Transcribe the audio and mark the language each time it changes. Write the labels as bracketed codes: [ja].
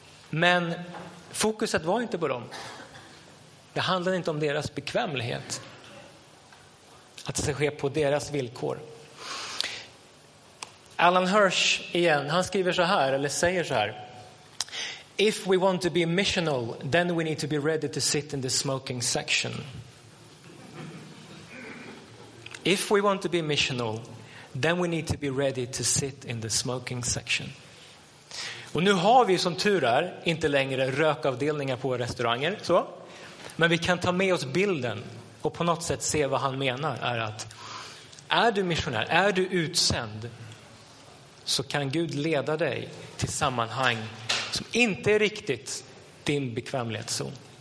[sv] Men fokuset var inte på dem. Det handlade inte om deras bekvämlighet. Att det ska ske på deras villkor. Alan Hirsch igen, han skriver så här eller säger så här. [en] If we want to be missional, then we need to be ready to sit in the smoking section. If we want to be missional, then we need to be ready to sit in the smoking section. [sv] Och nu har vi som tur är inte längre rökavdelningar på restauranger. Så. Men vi kan ta med oss bilden och på något sätt se vad han menar. Är att är du missionär, är du utsänd, så kan Gud leda dig till sammanhang som inte är riktigt din bekvämlighetszon.